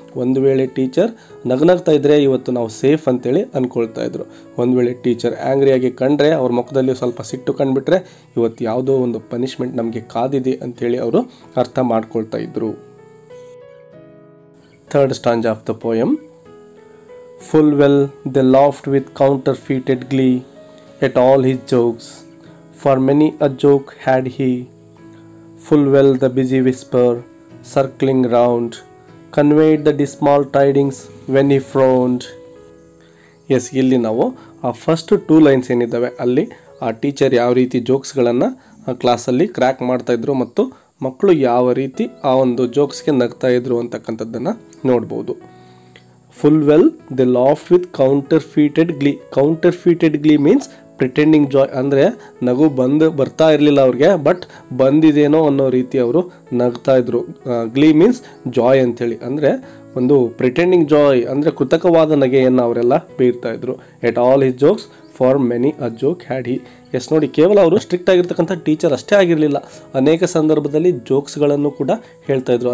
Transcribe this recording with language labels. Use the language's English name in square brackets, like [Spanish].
[Kannada] ಒಂದು ವೇಳೆ ಟೀಚರ್ ನಗ್ನಾಗ್ತಾ ಇದ್ದರೆ ಇವತ್ತು ನಾವು ಸೇಫ್ ಅಂತೇಳಿ ಅಂದ್ಕೊಳ್ತಾ ಇದ್ರು. ಒಂದು ವೇಳೆ ಟೀಚರ್ ಆ್ಯಂಗ್ರಿಯಾಗಿ ಕಂಡ್ರೆ, ಅವ್ರ ಮುಖದಲ್ಲಿ ಸ್ವಲ್ಪ ಸಿಟ್ಟು ಕಂಡುಬಿಟ್ರೆ ಇವತ್ತು ಯಾವುದೋ ಒಂದು ಪನಿಷ್ಮೆಂಟ್ ನಮಗೆ ಕಾದಿದೆ ಅಂಥೇಳಿ ಅವರು ಅರ್ಥ ಮಾಡ್ಕೊಳ್ತಾ ಇದ್ರು. [English] Third stanza of the poem. Full well they laughed with counterfeited glee at all his jokes, for many a joke had he. Full well the busy whisper circling round conveyed the dismal tidings when he frowned. [Kannada] Yes, ಇಲ್ಲಿ ನಾವು ಆ first two lines ಏನಿದ್ದಾವೆ ಅಲ್ಲಿ ಆ teacher ಯಾವ ರೀತಿ ಜೋಕ್ಸ್ಗಳನ್ನು ಕ್ಲಾಸಲ್ಲಿ crack ಮಾಡ್ತಾಯಿದ್ರು ಮತ್ತು ಮಕ್ಕಳು ಯಾವ ರೀತಿ ಆ ಒಂದು ಜೋಕ್ಸ್ಗೆ ನಗ್ತಾಯಿದ್ರು ಅಂತಕ್ಕಂಥದ್ದನ್ನು ನೋಡ್ಬೋದು. [English] Full well they laughed with counterfeited glee. Counterfeited glee means pretending joy. [Kannada] ಅಂದರೆ ನಗು ಬಂದು ಬರ್ತಾ ಇರಲಿಲ್ಲ ಅವ್ರಿಗೆ, ಬಟ್ ಬಂದಿದೇನೋ ಅನ್ನೋ ರೀತಿ ಅವರು ನಗ್ತಾ ಇದ್ರು. [English] glee means joy [Kannada] ಅಂಥೇಳಿ, ಅಂದರೆ ಒಂದು ಪ್ರಿಟೆಂಡಿಂಗ್ ಜಾಯ್ ಅಂದರೆ ಕೃತಕವಾದ ನಗೆಯನ್ನು ಅವರೆಲ್ಲ ಬೀರ್ತಾ ಇದ್ರು. [English] At all his jokes for many a joke had he. [Kannada] S ನೋಡಿ, ಕೇವಲ ಅವರು ಸ್ಟ್ರಿಕ್ಟ್ ಆಗಿರ್ತಕ್ಕಂಥ ಟೀಚರ್ ಅಷ್ಟೇ ಆಗಿರಲಿಲ್ಲ, ಅನೇಕ ಸಂದರ್ಭದಲ್ಲಿ ಜೋಕ್ಸ್ಗಳನ್ನು ಕೂಡ ಹೇಳ್ತಾ ಇದ್ರು.